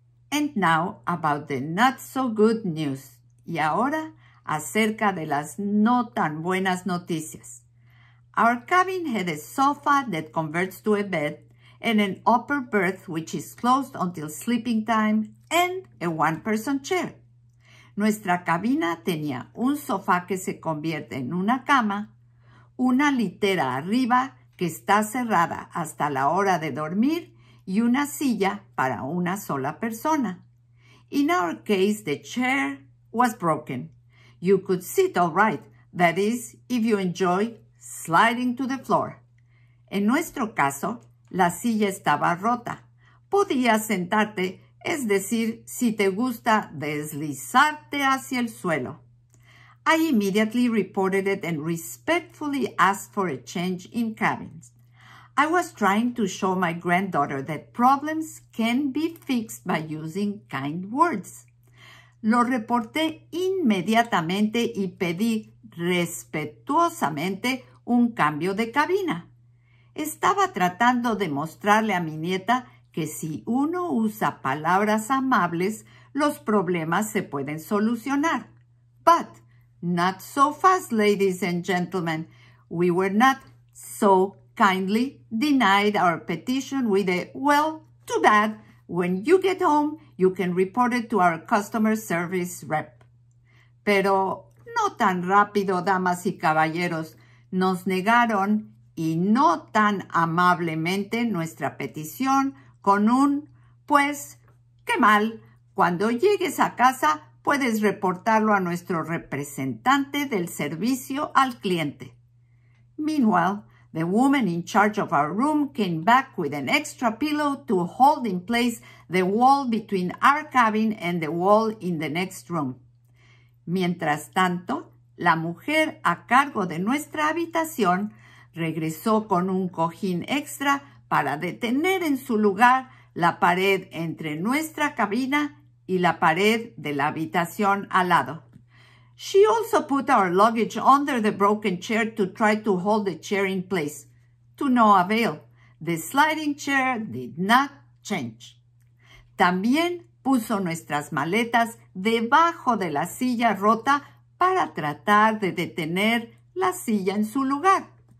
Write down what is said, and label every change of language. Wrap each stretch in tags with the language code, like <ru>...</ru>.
<en>And now about the not so good news.</en> <es>Y ahora acerca de las no tan buenas noticias.</es> <en>Our cabin had a sofa that converts to a bed and an upper berth which is closed until sleeping time and a one-person chair.</en> <es>Nuestra cabina tenía un sofá que se convierte en una cama, una litera arriba que está cerrada hasta la hora de dormir y una silla para una sola persona.</es> <en>In our case, the chair was broken. You could sit all right, that is, if you enjoy sliding to the floor.</en> <es>En nuestro caso, la silla estaba rota. Podías sentarte, es decir, si te gusta deslizarte hacia el suelo.</es> <en>I immediately reported it and respectfully asked for a change in cabins. I was trying to show my granddaughter that problems can be fixed by using kind words.</en> <es>Lo reporté inmediatamente y pedí respetuosamente un cambio de cabina. Estaba tratando de mostrarle a mi nieta que si uno usa palabras amables, los problemas se pueden solucionar.</es> <en>But not so fast, ladies and gentlemen. We were not so kindly denied our petition with a, well, too bad. When you get home, you can report it to our customer service rep.</en> <es>Pero no tan rápido, damas y caballeros. Nos negaron y no tan amablemente nuestra petición con un, pues, qué mal. Cuando llegues a casa, puedes reportarlo a nuestro representante del servicio al cliente.</es> <en>Meanwhile, the woman in charge of our room came back with an extra pillow to hold in place the wall between our cabin and the wall in the next room.</en> <es>Mientras tanto, la mujer a cargo de nuestra habitación regresó con un cojín extra para detener en su lugar la pared entre nuestra cabina y la pared de la habitación al lado.</es> <en>She also put our luggage under the broken chair to try to hold the chair in place. To no avail. The sliding chair did not change.</en> <es>También puso nuestras maletas debajo de la silla rota para tratar de detener la silla en su lugar.</es>